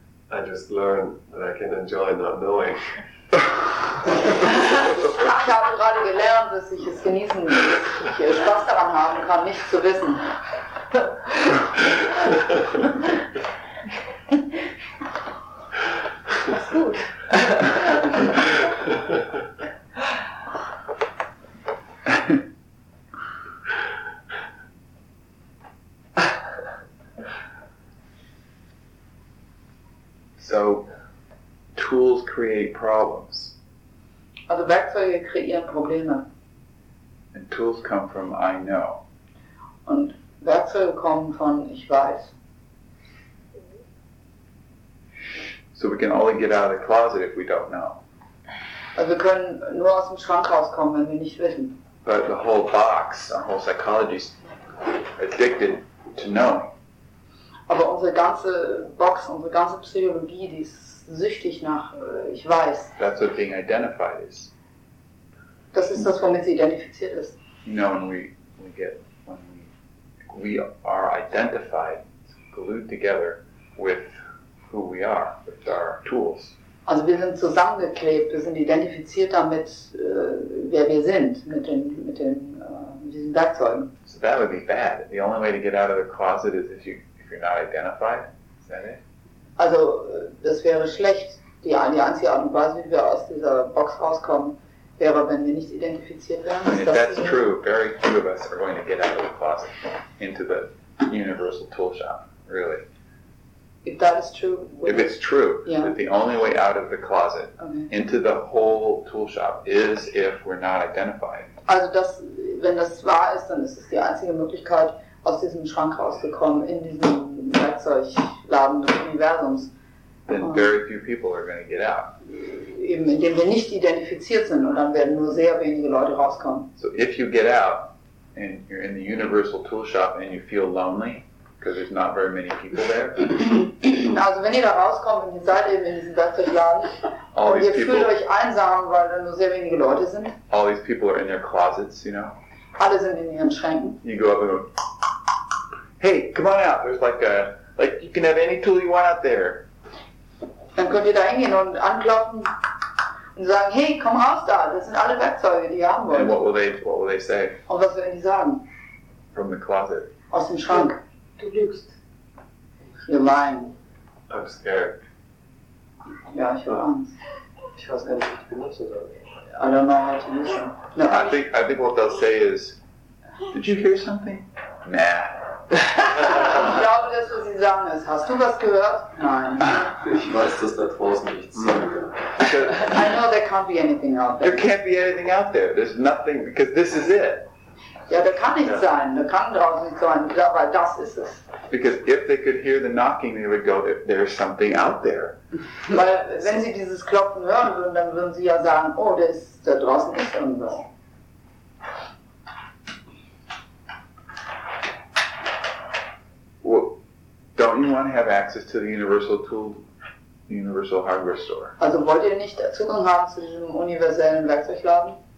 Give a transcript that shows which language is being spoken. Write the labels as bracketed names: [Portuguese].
[English] I just learned that I can enjoy not knowing. [German] Ich habe gerade gelernt, dass ich es genießen muss, dass ich Spaß daran haben kann, nicht zu wissen. Das ist gut. [English] So, tools create problems. [German] Also Werkzeuge kreieren Probleme. [English] And tools come from I know. [German] Und Werkzeuge kommen von ich weiß. [English] So we can only get out of the closet if we don't know. [German] Also wir können nur aus dem Schrank rauskommen, wenn wir nicht wissen. [English] But the whole box, our whole psychology is addicted to knowing. [German] Aber unsere ganze Box, unsere ganze Psychologie, die ist süchtig nach, ich weiß. [English] That's what being identified is. [German] Das ist das, womit sie identifiziert ist. [English] You know, when we are identified, glued together with who we are, with our tools. [German] Also wir sind zusammengeklebt, wir sind identifiziert damit, wer wir sind, mit diesen Werkzeugen. [English] So that would be bad. The only way to get out of the closet is if you're not identified, is that it? [German] Also, das wäre schlecht. Die einzige Art und Weise, wie wir aus dieser Box rauskommen, wäre, wenn wir nicht identifiziert wären. [English] And if that's true, very few of us are going to get out of the closet into the Universal Tool Shop, really. If that is true, that the only way out of the closet into the whole tool shop is if we're not identified. [German] Also, wenn das wahr ist, dann ist es die einzige Möglichkeit, aus diesem Schrank rausgekommen, in diesem Werkzeugladen des Universums. [English] Then very few people are going to get out. [German] Eben, indem wir nicht identifiziert sind und dann werden nur sehr wenige Leute rauskommen. [English] So if you get out and you're in the Universal Tool Shop and you feel lonely, because there's not very many people there. [German] Also wenn ihr da rauskommt und ihr seid eben in diesem Werkzeugladen und ihr fühlt euch einsam, weil da nur sehr wenige Leute sind. [English] All these people are in their closets, you know. [German] Alle sind in ihren Schränken. [English] You go up and go, hey, come on out. There's like a, like you can have any tool you want out there. [German] Dann könnt ihr da hingehen und anklopfen und sagen, hey, komm raus da. Das sind alle Werkzeuge, die ihr haben wollt. [English] And what will they say? [German] Und was werden die sagen? [English] From the closet. [German] Aus dem Schrank. Du lügst. [English] You're lying. I'm scared. [German] Yeah, ich habe Angst. Ich weiß gar nicht, wie ich benutze. [English] I don't know how to use them. No, I think what they'll say is, did you hear something? Nah. [German] Ich glaube, das, was sie sagen, ist, hast du was gehört? Nein. Ich weiß, dass da draußen nichts [English] I know there can't be anything out there. There can't be anything out there. There's nothing, because this is it. [German] Ja, da kann nichts sein. Da kann draußen nichts sein, weil das ist es. [English] Because if they could hear the knocking, they would go, there's something out there. [German] Weil wenn sie dieses Klopfen hören würden, dann würden sie ja sagen, oh, da draußen ist irgendwas. [English] Well, don't you want to have access to the universal tool, the universal hardware store? [German] Also wollt ihr nicht Zugang haben zu diesem universellen Werkzeugladen?